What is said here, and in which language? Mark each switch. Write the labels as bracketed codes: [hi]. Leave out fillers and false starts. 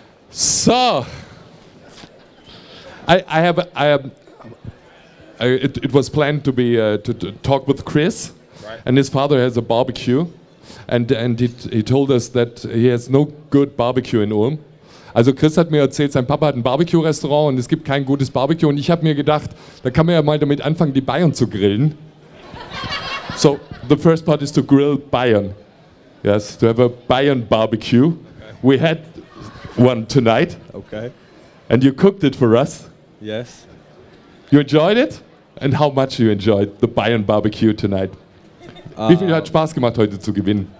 [en] So, it was planned to be to talk with Chris, right. And his father has a barbecue, and he told us that he has no good barbecue in Ulm. [de] Also Chris hat mir erzählt, sein Papa hat ein Barbecue-Restaurant und es gibt kein gutes Barbecue. Und ich habe mir gedacht, da kann man ja mal damit anfangen, die Bayern zu grillen. [en] So, the first part is to grill Bayern. Yes, to have a Bayern barbecue. Okay. We had one tonight. Okay. And you cooked it for us. Yes. You enjoyed it? And how much you enjoyed the Bayern barbecue tonight? [de] Wie viel hat Spaß gemacht, heute zu gewinnen?